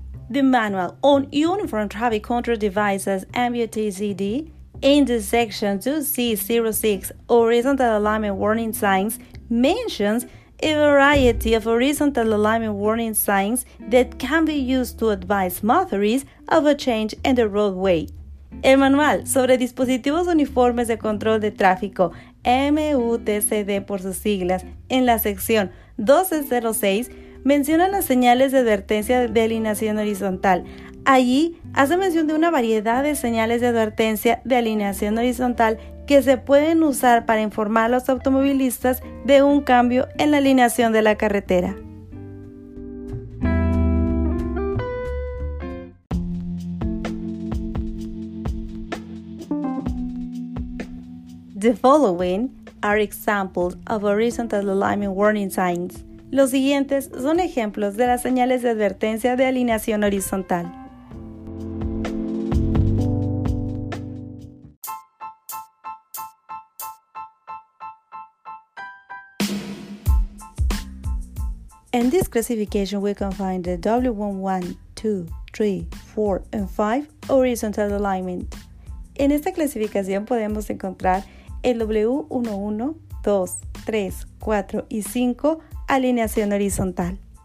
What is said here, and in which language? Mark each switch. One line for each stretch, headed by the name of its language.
English: The manual on uniform traffic control devices MUTCD in the section 2C06 horizontal alignment warning signs mentions a variety of horizontal alignment warning signs that can be used to advise motorists of a change in the roadway.
Spanish: El manual sobre dispositivos uniformes de control de tráfico, MUTCD por sus siglas, en la sección 1206, menciona las señales de advertencia de alineación horizontal. Allí hace mención de una variedad de señales de advertencia de alineación horizontal que se pueden usar para informar a los automovilistas de un cambio en la alineación de la carretera.
English: The following are examples of horizontal alignment warning signs.
Spanish: Los siguientes son ejemplos de las señales de advertencia de alineación horizontal.
English: In this classification, we can find the W11, 2, 3, 4, and 5 horizontal alignment.
Spanish: En esta clasificación podemos encontrar el W11, 2, 3, 4 y 5, alineación horizontal.